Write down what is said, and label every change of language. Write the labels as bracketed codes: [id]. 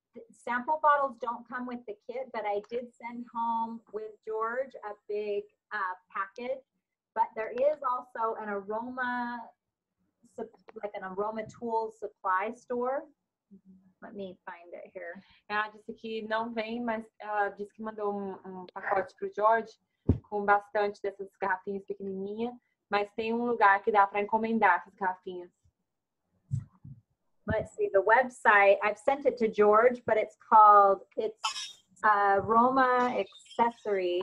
[en] Sample bottles don't come with the kit, but I did send home with George a big packet. But there is also an aroma, like an aroma tools supply store. Let me find it here. [pt] Ela disse que não vem, mas ela disse que mandou um pacote para o George com bastante dessas garrafinhas pequenininhas. Mas tem um lugar que dá para encomendar essas garrafinhas. [en] Let's see, the website, I've sent it to George, but it's called, it's Aroma Accessories.